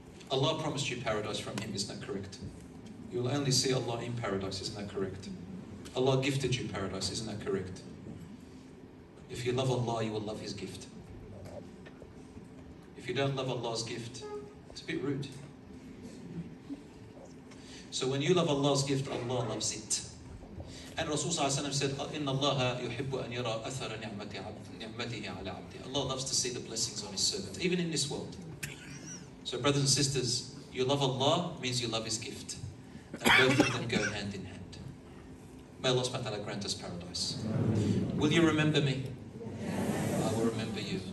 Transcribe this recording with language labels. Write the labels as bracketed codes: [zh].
[en] Allah promised you paradise from Him, isn't that correct? You'll only see Allah in paradise, isn't that correct? Allah gifted you paradise, isn't that correct? If you love Allah, you will love His gift. If you don't love Allah's gift, it's a bit rude. So when you love Allah's gift, Allah loves it. And Rasulullah said, [ar] إِنَّ اللَّهَ يُحِبُّ أَنْ يَرَى أَثَرَ نِعْمَتِهِ عَلَى عَبْدِهِ. [en] Allah loves to see the blessings on His servant, even in this world. So brothers and sisters, you love Allah means you love His gift. And both of them go hand in hand. May Allah subhanahu wa ta'ala grant us paradise. Will you remember me? I will remember you.